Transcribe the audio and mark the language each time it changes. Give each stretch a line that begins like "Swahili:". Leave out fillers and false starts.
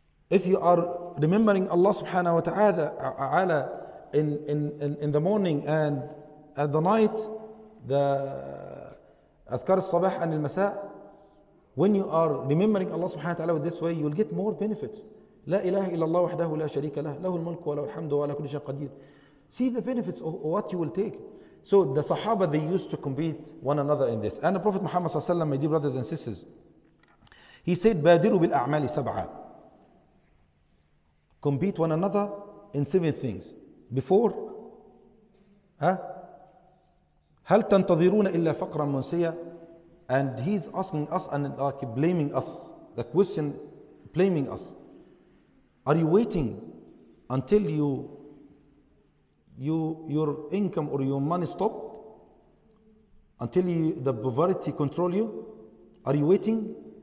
English: If you are remembering Allah subhanahu wa ta'ala in the morning and at the night, the Azkar al-Sabah and al-Masa', when you are remembering Allah subhanahu wa ta'ala with this way, you will get more benefits.
Arabic: لا إله إلا الله وحده لا شريك له له الملك وله الحمد وله كل شيء قدير.
English: See the benefits of what you will take. So the Sahaba, they used to compete one another in this. And the Prophet Muhammad صلى الله عليه وسلم, my dear brothers and sisters, he said,
Arabic: بادروا بالأعمال سبعة.
English: Compete one another in seven things. Before,
Arabic: هل تنتظرون إلا فقرا منسيا?
English: And he's asking us and like blaming us. The question, blaming us. Are you waiting until your income or your money stopped? Until the poverty control you? Are you waiting?